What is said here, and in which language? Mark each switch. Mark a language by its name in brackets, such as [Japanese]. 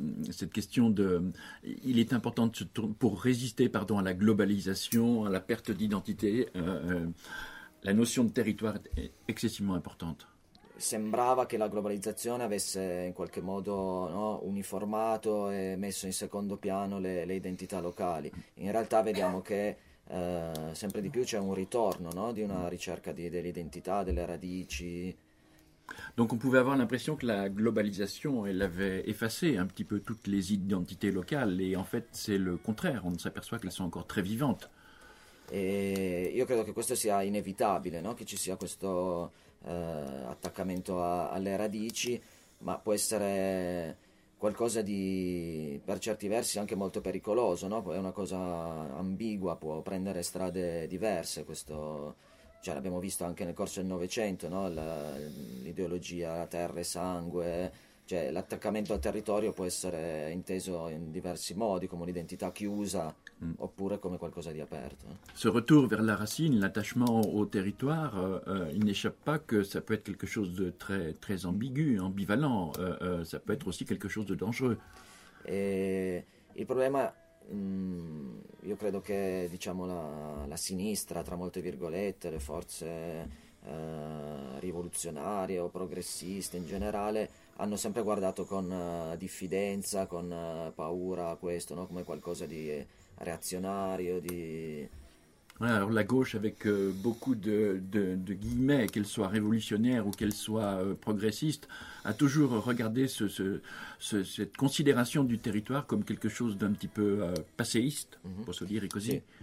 [French] Cette question de, il est important de pour résister, pardon, à la globalisation, à la perte d'identité, la notion de territoire est excessivement importante. [Italian] Sembrava che la globalizzazione avesse in qualche modo, no, uniformato e messo in secondo piano le identità locali. In realtà vediamo che sempre di più c'è un ritorno, no, di una ricerca dell'identità, delle radici. [French] Donc on pouvait avoir l'impression que la globalisation elle avait effacé un petit peu toutes les identités locales, et en fait c'est le contraire, on s'aperçoit qu'elles sont encore très vivantes. [Italian] E io credo che questo sia inevitabile, no, che ci sia questo attaccamento alle radici, ma può essere qualcosa di per certi versi anche molto pericoloso, no? È una cosa ambigua, può prendere strade diverse. Questo, cioè, l'abbiamo visto anche nel corso del Novecento, no? L'ideologia terra e sangue, cioè l'attaccamento al territorio può essere inteso in diversi modi, come un'identità chiusa oppure come qualcosa di aperto. [French] Ce retour vers la racine, l'attachement au territoire, il n'échappe pas que ça peut être quelque chose de très, très ambigu, ambivalent, ça peut être aussi quelque chose de dangereux. [Italian] Et il problema, io credo che, diciamo, la sinistra, tra molte virgolette, le forze rivoluzionarie o progressiste in generale, hanno sempre guardato con diffidenza, con paura a questo, no? Come qualcosa di réactionnaire, [French] ouais, alors la gauche, avec beaucoup de guillemets, qu'elle soit révolutionnaire ou qu'elle soit progressiste, a toujours regardé cette considération du territoire comme quelque chose d'un petit peu passéiste, pour se dire, et così.